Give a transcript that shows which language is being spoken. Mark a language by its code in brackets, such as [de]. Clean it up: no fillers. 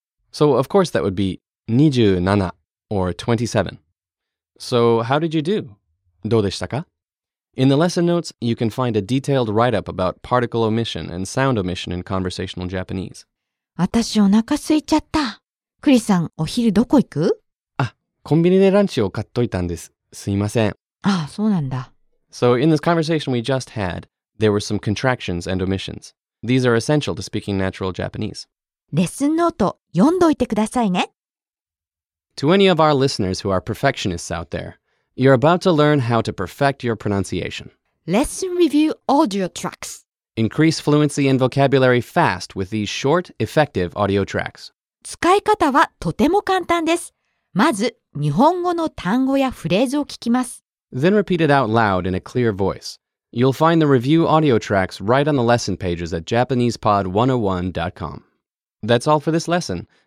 [en] So of course that would be 27 or 27. So how did you do? [ja] どうでしたか? [en] In the lesson notes, you can find a detailed write-up about particle omission and sound omission in conversational Japanese. [ja] 私お腹空いちゃった。クリさん、お昼どこ行く? あ、コンビニでランチを買っといたんです。すいません。あ、そうなんだ。 [en] So in this conversation we just had, there were some contractions and omissions. These are essential to speaking natural Japanese. [ja] レッスンノート読んどいてくださいね。 [en] To any of our listeners who are perfectionists out there, you're about to learn how to perfect your pronunciation. Lesson review audio tracks. Increase fluency and vocabulary fast with these short, effective audio tracks. [ja] 使い方はとても簡単です。まず、日本語の単語やフレーズを聞きます。 [en] Then repeat it out loud in a clear voice. You'll find the review audio tracks right on the lesson pages at JapanesePod101.com. That's all for this lesson.